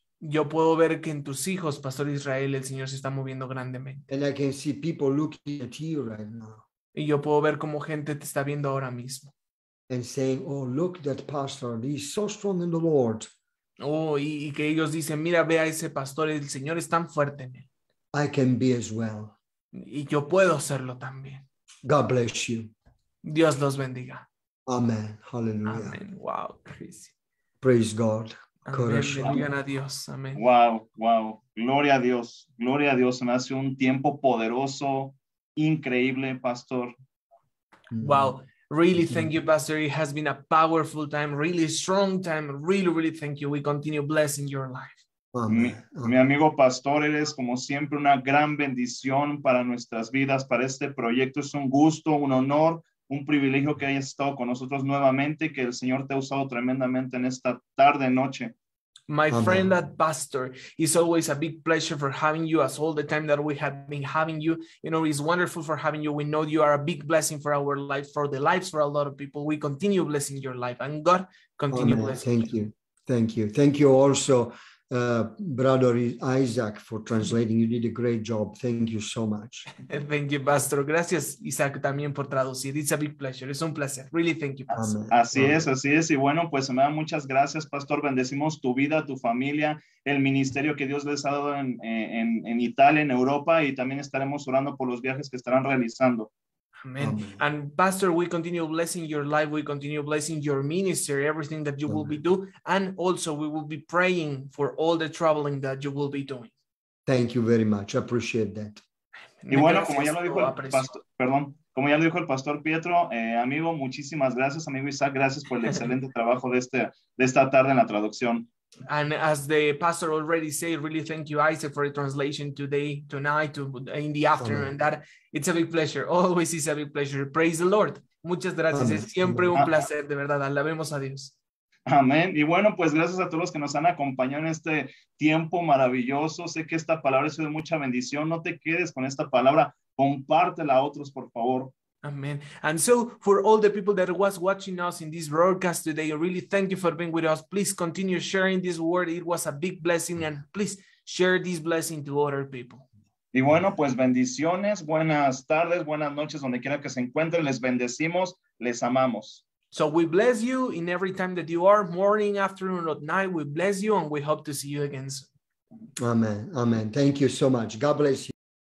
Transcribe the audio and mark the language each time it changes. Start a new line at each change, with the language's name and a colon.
Spanish: Yo puedo ver que en tus hijos, Pastor Israel, el Señor se está moviendo grandemente.
English: And I can see people looking at you right now.
Spanish: Y yo puedo ver cómo gente te está viendo ahora mismo.
English: And saying, oh, look at that pastor, he's so strong in the Lord.
Spanish: Oh, y que ellos dicen, mira, ve a ese pastor, el Señor es tan fuerte en él.
English: I can be as well.
Spanish: Y yo puedo hacerlo también.
English: God bless you.
Spanish: Dios los bendiga.
English: Amen. Hallelujah. Amen. Wow, crazy. Praise God.
Spanish: Bendigan a Dios. Amen. Wow. Gloria a Dios. Gloria a Dios. Se me hace un tiempo poderoso, increíble, Pastor.
English: Wow. Really, thank you, Pastor. It has been a powerful time, really strong time. Really, really thank you. We continue blessing your life.
Spanish: Mi amigo Pastor, eres como siempre una gran bendición para nuestras vidas, para este proyecto. Es un gusto, un honor, un privilegio que hayas estado con nosotros nuevamente, que el Señor te ha usado tremendamente en esta tarde noche.
English: My friend, that pastor, is always a big pleasure for having you, as all the time that we have been having you. You know, it's wonderful for having you. We know you are a big blessing for our life, for the lives for a lot of people. We continue blessing your life, and God continue blessing. Thank you. Thank you also, Brother Isaac, for translating. You did a great job. Thank you so much. Thank you, Pastor.
Spanish: Gracias, Isaac, también por traducir.
English: It's a big pleasure.
Spanish: Es un placer.
English: Really, thank you, Pastor.
Spanish: Así es. Y bueno, pues se me da muchas gracias, Pastor. Bendecimos tu vida, tu familia, el ministerio que Dios les ha dado en Italia, en Europa, y también estaremos orando por los viajes que estarán realizando.
English: Amen. Amen. And Pastor, we continue blessing your life. We continue blessing your ministry, everything that you will be doing. And also, we will be praying for all the traveling that you will be doing. Thank you very much. I appreciate that.
Spanish: Y bueno, como ya lo dijo el Pastor Pietro, amigo, muchísimas gracias, amigo Isaac. Gracias por el excelente trabajo de esta tarde en la traducción.
English: And as the pastor already said, really thank you, Isaac, for the translation today, tonight, in the afternoon. Amen. That it's a big pleasure. Always is a big pleasure. Praise the Lord.
Spanish: Muchas gracias. Amen. Es siempre un placer, de verdad. Alabemos a Dios. Amén. Y bueno, pues gracias a todos los que nos han acompañado en este tiempo maravilloso. Sé que esta palabra ha sido de mucha bendición. No te quedes con esta palabra. Compártela a otros, por favor.
English: Amen. And so for all the people that was watching us in this broadcast today, I really thank you for being with us. Please continue sharing this word. It was a big blessing. And please share this blessing to other people.
Spanish: Y bueno, pues bendiciones. Buenas tardes, buenas noches, donde quiera que se encuentren. Les bendecimos. Les amamos.
English: So we bless you in every time that you are, morning, afternoon, or night. We bless you and we hope to see you again soon. Amen. Thank you so much. God bless you.